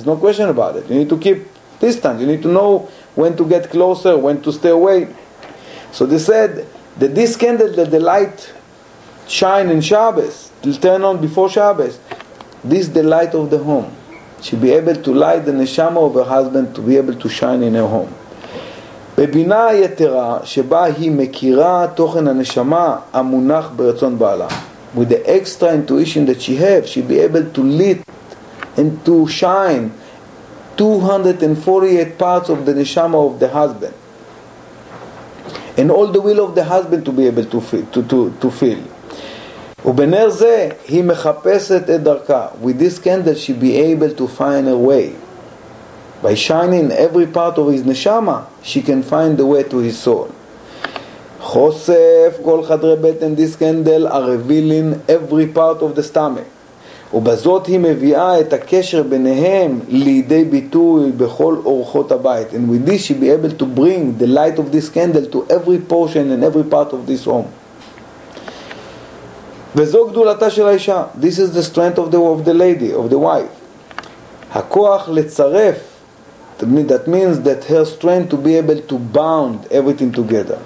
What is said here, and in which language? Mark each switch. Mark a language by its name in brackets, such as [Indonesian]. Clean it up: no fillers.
[English] There's no question about it. You need to keep distance. You need to know when to get closer, when to stay away. So they said that this candle, that the light shine in Shabbos, will turn on before Shabbos. This is the light of the home. She'll be able to light the neshama of her husband to be able to shine in her home. [Hebrew] בבינה יתרה שבה היא מכירה תוכן הנשמה המונח ברצון בעלה. [English] With the extra intuition that she has, she'll be able to lit and to shine 248 parts of the neshama of the husband. And all the will of the husband to be able to feel. [Hebrew] ובנר זה היא מחפשת את דרכה. [English] With this candle she be able to find her way. By shining every part of his neshama, she can find the way to his soul. [Hebrew] חושף כל חדרי בטן, [English] this candle are revealing every part of the stomach. [Hebrew] ובזאת היא מביאה את הקשר ביניהם לידי ביטוי בכל אורחות הבית. [English] And with this she be able to bring the light of this candle to every portion and every part of this home. [Hebrew] וזו גדולתה של האישה. [English] This is the strength of the lady, of the wife. [Hebrew] הכוח לצרף. [English] That means that her strength to be able to bound everything together.